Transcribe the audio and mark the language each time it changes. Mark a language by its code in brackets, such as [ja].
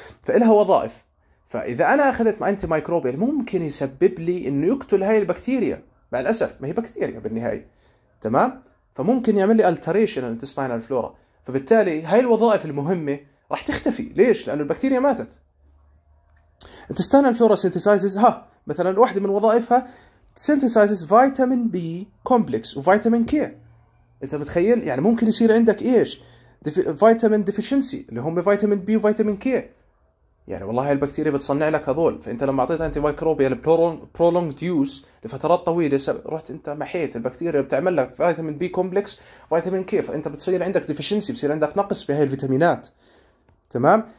[ar] فإلها وظائف، فإذا أنا أخذت أنتي مايكروبيل ممكن يسبب لي أنه يقتل هاي البكتيريا، مع الأسف ما هي بكتيريا بالنهاية تمام. فممكن يعمل لي ألتريشن الانتستينال فلورا، فبالتالي هاي الوظائف المهمة راح تختفي. ليش؟ لأن البكتيريا ماتت. [en] intestinal flora synthesizes، [ar] ها مثلا واحدة من وظائفها [en] synthesizes vitamin B complex و vitamin K. [ar] انت متخيل؟ يعني ممكن يصير عندك ايش؟ vitamin deficiency اللي هم vitamin B و vitamin K. يعني والله هاي البكتيريا بتصنع لك هذول، فانت لما عطيت [en] antimicrobial prolonged use [ar] لفترات طويلة رحت انت محيت البكتيريا، بتعمل لك vitamin B complex vitamin K، فانت بتصير عندك deficiency، بصير عندك نقص بهاي الفيتامينات تمام.